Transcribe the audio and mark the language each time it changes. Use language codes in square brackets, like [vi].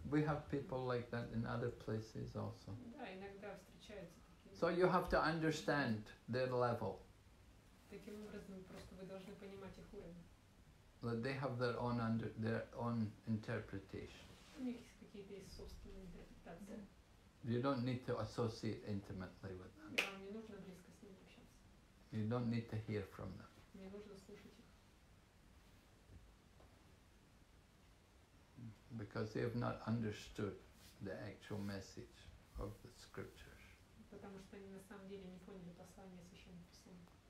[en] We have people like that in other places also. [ru] Да, иногда встречаются. [en] So you have to understand their level. [ru] Таким образом, просто вы должны понимать их уровень. [en] That they have their own under, their own interpretation. [ru] У них есть какие-то собственные интерпретации. [en] You don't need to associate intimately with them. [ru] Вам не нужно близко с ними общаться. [en] You don't need to hear from them. [ru] Не нужно слушать их. [en] Because they have not understood the actual message of the scripture. [ru] Потому что они на самом деле не поняли послание священных писаний.